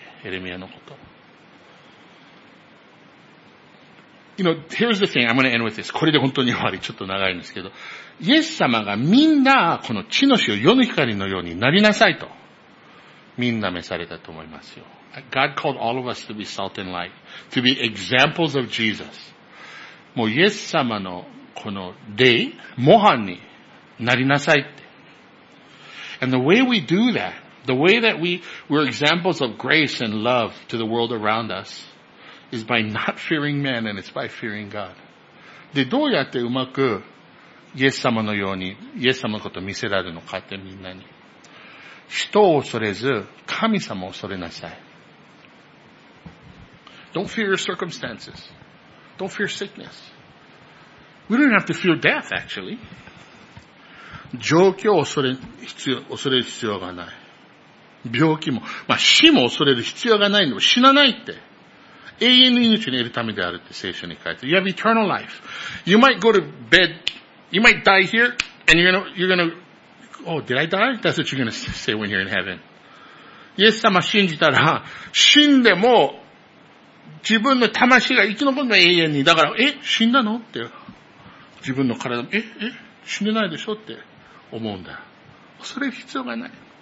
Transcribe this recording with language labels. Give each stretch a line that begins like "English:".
Japanese: エレミアのこと。
English: You know, here's the thing. I'm going to end with this.
Japanese: これで本当に終わり。ちょっと長いんですけど。イエス様がみんなこの地の塩、世の光のようになりなさいと。みんな召されたと思いますよ。
English: God called all of us to be salt and light. To be examples of Jesus.
Japanese: もうイエス様のこの霊、模範になりなさいって。
English: And the way we do that, the way that we're examples of grace and love to the world around us, is by not fearing man and it's by fearing God.
Japanese: で、どうやってうまくイエス様のように、イエス様のことを見せられるのかってみんなに。人を恐れず、神様を恐れなさい。
English: Don't fear your circumstances. Don't fear sickness. We don't have to fear death, actually.
Japanese: 状況を恐れる必要がない。病気も。まあ、死も恐れる必要がないの。死なないって。永遠の命に得るためであるって聖書に書いてある。
English: You have eternal life. You might go to bed, you might die here, and you're gonna, oh, did I die? That's what you're gonna say when you're in heaven.
Japanese: イエス様信じたら、死んでも、自分の魂が生き残るの永遠に。だから、え、死んだのって。自分の体も、え、死んでないでしょって思うんだ。恐れる必要がない。